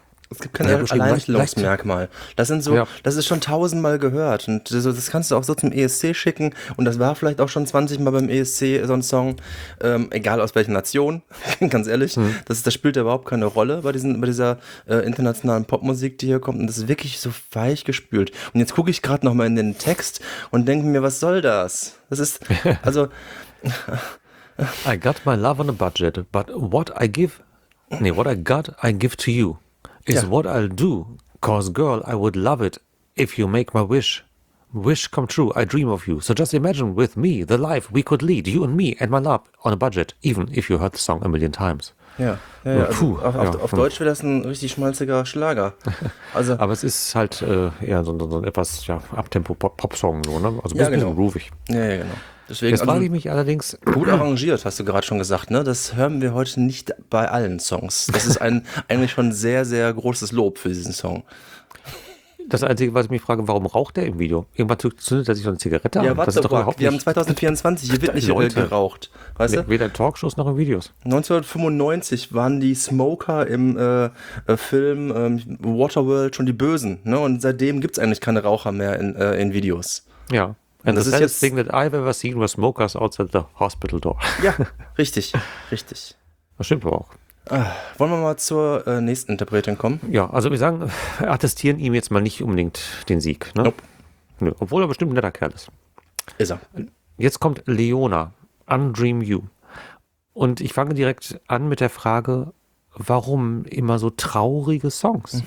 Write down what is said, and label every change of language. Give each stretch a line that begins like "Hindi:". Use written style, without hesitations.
German: Es gibt kein Alleinstellungsmerkmal. Das sind so, ja. Das ist schon tausendmal gehört und das kannst du auch so zum ESC schicken und das war vielleicht auch schon 20 Mal beim ESC so ein Song, egal aus welcher Nation, ganz ehrlich, das spielt ja überhaupt keine Rolle bei dieser internationalen Popmusik, die hier kommt und das ist wirklich so weich gespült. Und jetzt gucke ich gerade nochmal in den Text und denke mir, was soll das? Das ist, also...
English: I got my love on a budget, but what I got, I give to you. Is yeah. What I'll do, cause girl, I would love it if you make my wish come true. I dream of you. So just imagine with me the life we could lead, you and me and my love on a budget, even if you heard the song a million times.
German: Ja. Puh. Also auf Deutsch wäre das ein richtig schmalziger Schlager. Also. Aber es ist halt eher so ein etwas Abtempo Pop-Song so, ne? Also ein bisschen groovig. Ja, genau. Deswegen, jetzt frage ich mich allerdings. Gut arrangiert, hast du gerade schon gesagt, ne? Das hören wir heute nicht bei allen Songs. Das ist eigentlich schon sehr, sehr großes Lob für diesen Song. Das Einzige, was ich mich frage, warum raucht der im Video? Irgendwann zündet er sich so eine Zigarette an. Ja, warte, doch überhaupt wir haben 2024, hier wird nicht Leute. Geraucht. Weißt du? Weder in Talkshows noch in Videos. 1995 waren die Smoker im Film Waterworld schon die Bösen, ne? Und seitdem gibt es eigentlich keine Raucher mehr in Videos. Ja.
English: And das the saddest thing that I've ever seen was smokers outside the hospital door.
German: Ja, richtig. Das stimmt aber auch. Wollen wir mal zur nächsten Interpretin kommen? Ja, also wir sagen, wir attestieren ihm jetzt mal nicht unbedingt den Sieg. Ne? Nope. Obwohl er bestimmt ein netter Kerl ist. Ist er. Jetzt kommt Leona, Undream You. Und ich fange direkt an mit der Frage, warum immer so traurige Songs?